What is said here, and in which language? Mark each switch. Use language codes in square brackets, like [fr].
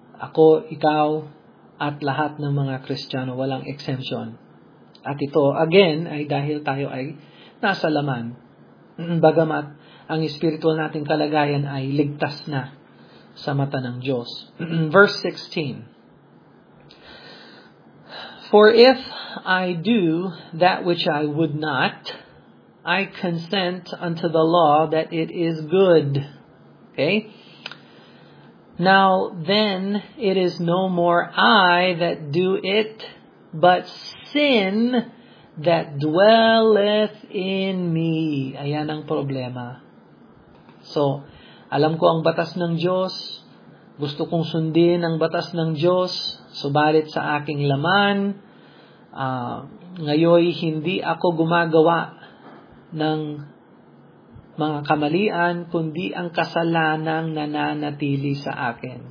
[tl] Ako, ikaw, at lahat ng mga Kristiyano, walang exemption. At ito, again, ay dahil tayo ay nasa laman. Bagamat ang spiritual nating kalagayan ay ligtas na sa mata ng Diyos. [en] Verse 16. For if I do that which I would not, I consent unto the law that it is good. Okay? Now then, it is no more I that do it, but sin that dwelleth in me. [tl] Ayan ang problema. So, alam ko ang batas ng Diyos. Gusto kong sundin ang batas ng Diyos. Subalit sa aking laman, ngayon hindi ako gumagawa ng mga kamalian, kundi ang kasalanang nananatili sa akin.